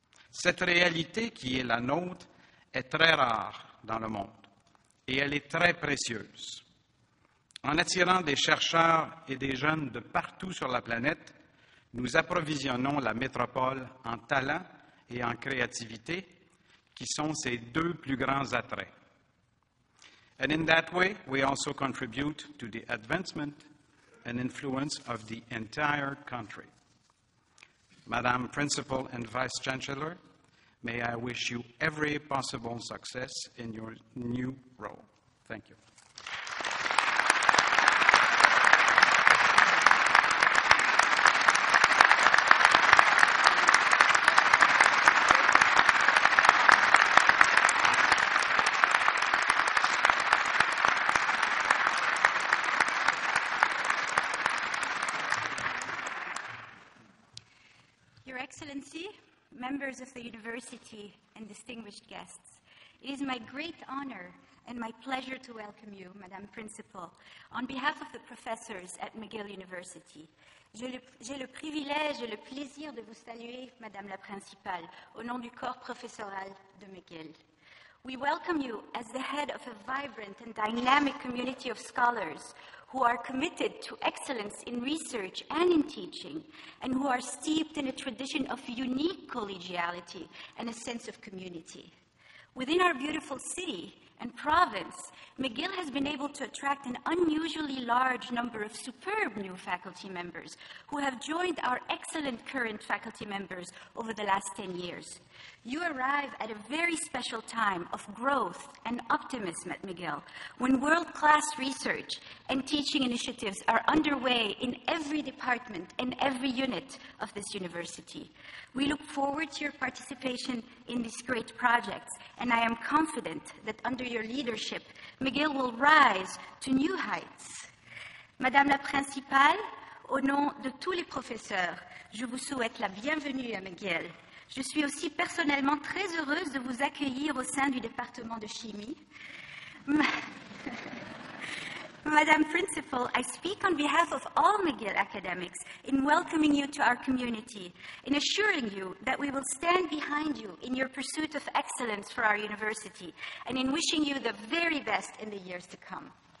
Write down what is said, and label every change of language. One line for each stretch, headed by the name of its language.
French: Cette réalité qui est la nôtre est très rare dans le monde et elle est très précieuse. En attirant des chercheurs et des jeunes de partout sur la planète, nous approvisionnons la métropole en talent et en créativité, qui sont ses deux plus grands attraits.
English: And in that way, we also contribute to the advancement and influence of the entire country. Madame Principal and Vice Chancellor, may I wish you every possible success in your new role. Thank you. Members of the university and distinguished guests, it is my great honor and my pleasure to welcome you, Madame Principal, on behalf of the professors at McGill University.
French: J'ai le privilège et le plaisir de vous saluer, Madame la Principale, au nom du corps professoral de McGill.
English: We welcome you as the head of a vibrant and dynamic community of scholars who are committed to excellence in research and in teaching, and who are steeped in a tradition of unique collegiality and a sense of community. Within our beautiful city and province, McGill has been able to attract an unusually large number of superb new faculty members who have joined our excellent current faculty members over the last 10 years. You arrive at a very special time of growth and optimism at McGill, when world-class research and teaching initiatives are underway in every department and every unit of this university. We look forward to your participation in these great projects, and I am confident that under under your leadership, McGill will rise to new heights.
French: Madame la Principale, au nom de tous les professeurs, je vous souhaite la bienvenue à McGill. Je suis aussi personnellement très heureuse de vous accueillir au sein du département de chimie.
English: Madame Principal, I speak on behalf of all McGill academics in welcoming you to our community, in assuring you that we will stand behind you in your pursuit of excellence for our university, and in wishing you the very best in the years to come.